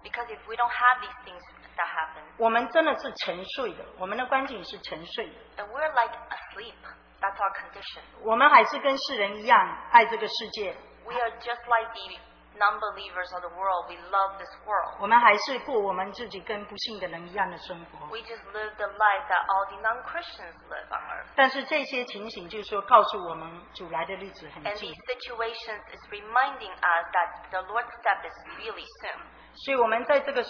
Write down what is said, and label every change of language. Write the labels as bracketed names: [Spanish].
[English] because if we don't have these things that happen, [Chinese] 我们真的是沉睡的, 我们的观景是沉睡的, [English] and we're like asleep. That's our condition. [Chinese] 我们还是跟世人一样, 爱这个世界, [English] we are just like the non-believers of the world. We love this world. [Chinese] 我们还是过我们自己跟不幸的人一样的生活。 [English] We just live the life that all the non-Christians live on earth. [Chinese] 但是这些情形就是说告诉我们主来的日子很近。 [English] And these situations is reminding us that the Lord's step is really soon.